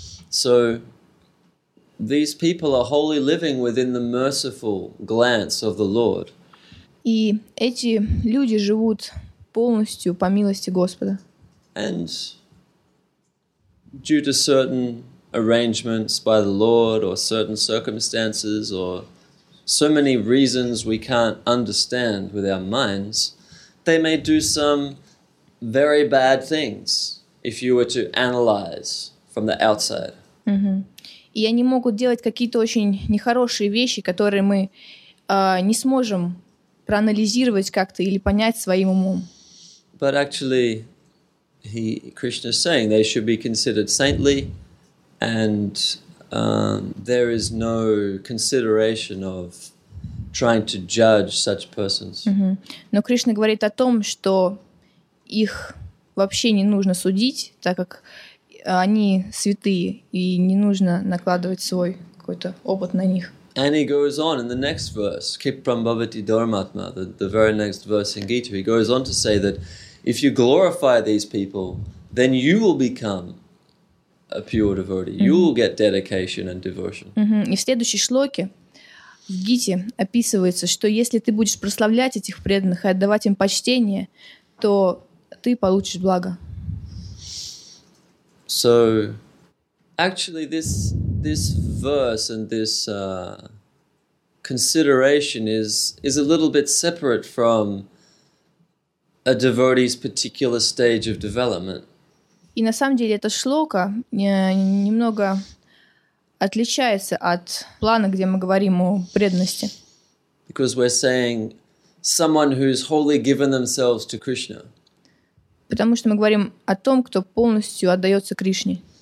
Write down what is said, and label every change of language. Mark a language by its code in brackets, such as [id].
[en] So these people are wholly living within the merciful glance of the Lord. [ru] И эти люди живут полностью по милости Господа. [en] And due to certain arrangements by the Lord or certain circumstances or so many reasons we can't understand with our minds, they may do some very bad things if you were to analyze from the outside. Mm-hmm. [ru] И они могут делать какие-то очень нехорошие вещи, которые мы не сможем проанализировать как-то или понять своим умом. [en] But actually, Krishna is saying they should be considered saintly, and there is no consideration of trying to judge such persons. [ru] Но Кришна говорит о том, что их вообще не нужно судить, так как они святые, и не нужно накладывать свой какой-то опыт на них. [en] And he goes on in the next verse, [sa] Kipram Bhavati Dharmatma, [en] the very next verse in Gita, he goes on to say that if you glorify these people, then you will become a pure devotee. You will get dedication and devotion. [ru] И в следующей шлоке в Гите описывается, что если ты будешь прославлять этих преданных и отдавать им почтение, то ты получишь благо. [en] So, actually, this verse and this consideration is a little bit separate from a devotee's particular stage of development. [ru] И на самом деле эта шлока немного отличается от плана, где мы говорим о преданности. [en] Because we're saying someone who's wholly given themselves to Krishna. [ru] Потому что мы говорим о том, кто полностью отдается Кришне.